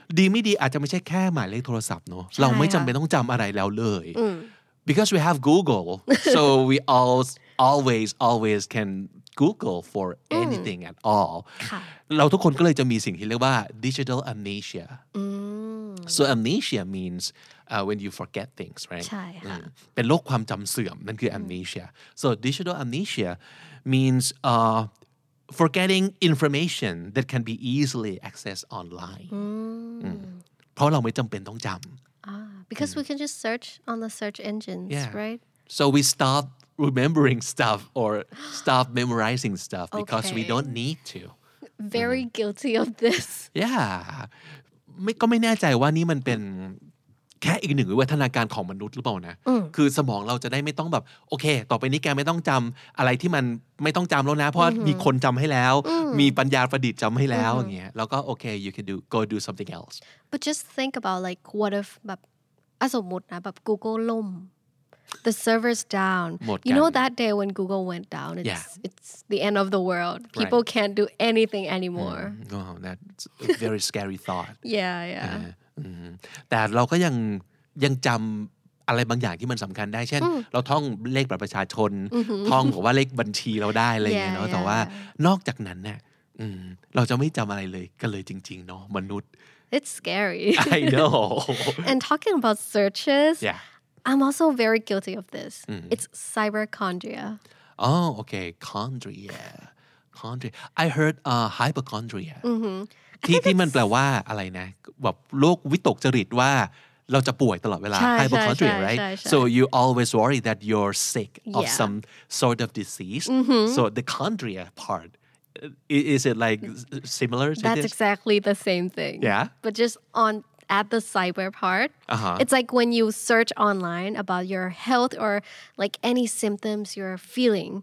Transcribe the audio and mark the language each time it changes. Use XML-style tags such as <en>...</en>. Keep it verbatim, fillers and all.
<th>ดีไม่ดีอาจจะไม่ใช่แค่หมายเลขโทรศัพท์เนอะเราไม่จำเป็นต้องจำอะไรแล้วเลย</th> <en>because we have Google so we all always always can Google for anything at all</en> <th>เราทุกคนก็เลยจะมีสิ่งที่เรียกว่า digital amnesia</th> <en>so amnesia means uh, when you forget things right</en> <th>ใช่ค่ะ เป็นโรคความจำเสื่อมนั่นคือ</th> <en>amnesia so digital amnesia means uh, forgetting information that can be easily accessed online</en> <th>เพราะเราไม่จำเป็นต้องจำ</th> <en>because we can just search on the search engines yeah. right so we stop remembering stuff or stop memorizing stuff because okay. we don't need to very mm. guilty of this</en> <th>yeah ไม่ก็ไม่แน่ใจว่านี่มันเป็นแค่อีกหนึ่งวิวัฒนาการของมนุษย์หรือเปล่านะคือสมองเราจะได้ไม่ต้องแบบโอเคต่อไปนี้แกไม่ต้องจำอะไรที่มันไม่ต้องจำแล้วนะเพราะมีคนจำให้แล้วมีปัญญาประดิษฐ์จำให้แล้วอย่างเงี้ยแล้วก็โอเค</th> <en>you can do go do something else but just think about like what if</en> <th>แบบสมมตินะแบบ Google ล่ม</th> <en>the server's down you know that day when Google went down it's yeah. it's the end of the world people right. can't do anything anymore oh wow, that's a very scary thought yeah yeah uh-huh.</en> <th>แต่เราก็ยังยังจำอะไรบางอย่างที่มันสำคัญได้เช่นเราท่องเลขบัตรประชาชนท่องบอกว่าเลขบัญชีเราได้อะไรอย่างเงี้ยเนาะแต่ว่านอกจากนั้นเนี่ยเราจะไม่จำอะไรเลยกันเลยจริงๆเนาะมนุษย์</th> <en>It's scary I know and talking about searches yeah. I'm also very guilty of this it's cyberchondria oh okay chondria chondria I heard uh, hypochondria mm-hmm.</en> <th>ที่ที่มันแปลว่าอะไรนะแบบโรควิตกจริตว่าเราจะป่วยตลอดเวลา</th> <en>hypochondria right so you always worry that you're sick of yeah. some sort of disease mm-hmm. so the chondria part is it like similar to that's this? exactly the same thing yeah but just on at the cyber part uh-huh. it's like when you search online about your health or like any symptoms you're feeling</en>